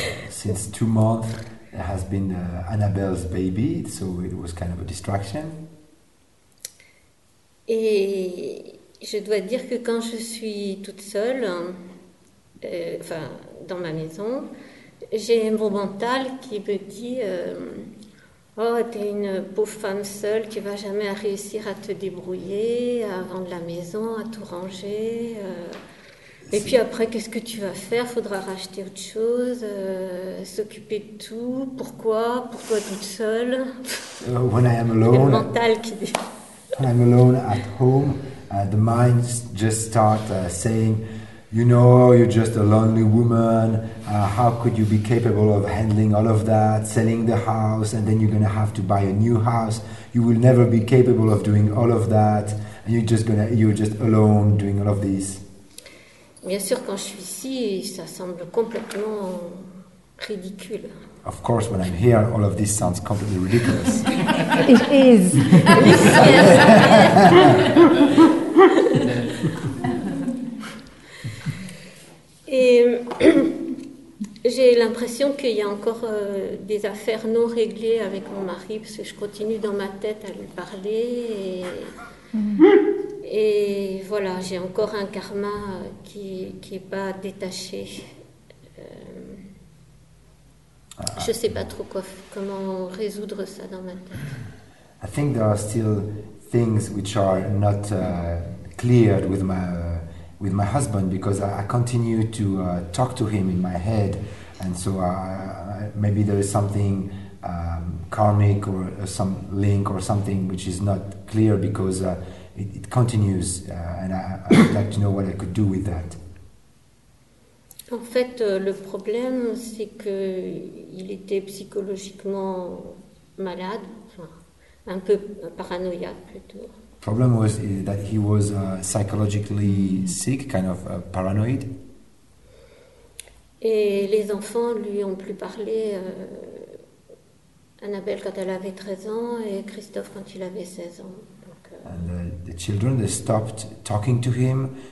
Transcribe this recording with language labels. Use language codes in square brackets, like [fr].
[en] Since 2 months there has been Annabelle's baby, so it was kind of a distraction. [fr] Et je dois dire que quand je suis toute seule dans ma maison, j'ai mon mental qui me dit oh, t'es une pauvre femme seule qui va jamais réussir à te débrouiller, à vendre la maison, à tout ranger. Et puis après, qu'est-ce que tu vas faire? Faudra racheter autre chose, s'occuper de tout. Pourquoi toute seule? [en] When I am alone, [fr] le mental qui dit. [en] When I'm alone at home, the mind just starts saying, you know, you're just a lonely woman. How could you be capable of handling all of that, selling the house, and then you're going to have to buy a new house? You will never be capable of doing all of that, and you're just alone doing all of this. [fr] Bien sûr, quand je suis ici, ça semble complètement ridicule. [en] Of course, when I'm here, all of this sounds completely ridiculous. It is. [fr] J'ai l'impression qu'il y a encore des affaires non réglées avec mon mari parce que je continue dans ma tête à lui parler et voilà, j'ai encore un karma qui est pas détaché. Je sais pas trop comment résoudre ça dans ma tête. [en] I think there are still things which are not cleared with my with my husband, because I continue to talk to him in my head, and so maybe there is something karmic or some link or something which is not clear, because it continues, and I would like to know what I could do with that. [fr] En fait, le problème, c'est que il était psychologiquement malade, enfin, un peu paranoïaque plutôt. [en] Problem was that he was psychologically sick, kind of paranoid. [fr] Et les enfants lui ont plus parlé. Annabelle quand elle avait 13 ans et Christophe quand il avait 16 ans. [en] And the children, they stopped talking to him.